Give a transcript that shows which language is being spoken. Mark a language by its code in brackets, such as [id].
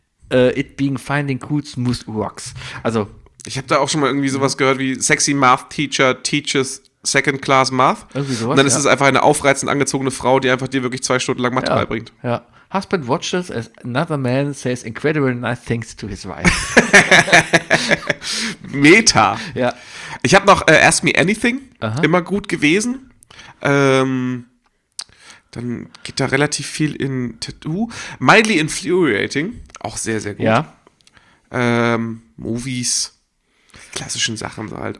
[en] It being finding cool smooth rocks. [de] Also, ich habe da auch schon mal irgendwie sowas gehört wie [en] sexy math teacher teaches second class math. [de] Irgendwie sowas, und dann ist es einfach eine aufreizend angezogene Frau, die einfach dir wirklich 2 Stunden lang Mathe beibringt. Ja. [en] Husband watches as another man says incredible nice things to his wife. [de] Meta. Ja. Ich habe noch Ask Me Anything, aha, immer gut gewesen. Dann geht da relativ viel in Tattoo. Mildly Infuriating, auch sehr, sehr gut. Ja. Movies, klassischen Sachen halt.